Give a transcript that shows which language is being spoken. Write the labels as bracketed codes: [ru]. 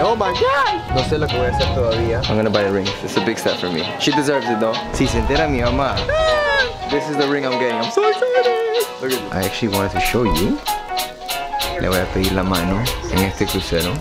[en] Oh my God. [es] No sé lo que voy a hacer todavía. [en] I'm gonna buy a ring. It's a big step for me. She deserves it, though. [es] Si se entera mi mamá. [en] This is the ring I'm getting. I'm so excited. Look at this. I actually wanted to show you. [es] Le voy a pedir la mano en este crucero.